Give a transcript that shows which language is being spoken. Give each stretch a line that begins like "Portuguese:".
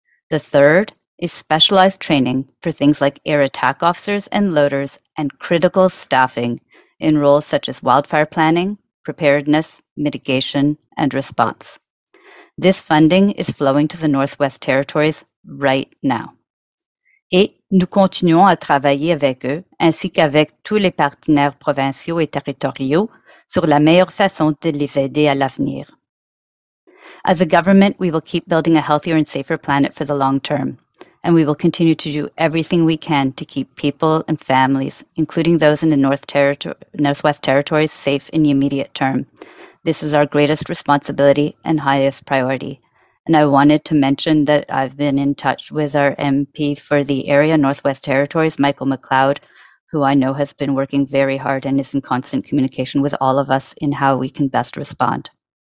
English: The third is specialized training for things like air attack officers and loaders and critical staffing in roles such as wildfire planning, preparedness, mitigation, and response. This funding is flowing to the Northwest Territories right now.
French: Et nous continuons à travailler avec eux ainsi qu'avec tous les partenaires provinciaux et territoriaux sur la meilleure façon de les aider à l'avenir.
English: As a government, we will keep building a healthier and safer planet for the long term, and we will continue to do everything we can to keep people and families, including those in the Northwest Territories, safe in the immediate term. This is our greatest responsibility and highest priority. And I wanted to mention that I've been in touch with our MP for the area, Northwest Territories, Michael McLeod, who I know has been working very hard and is in constant communication with all of us in how we can best respond.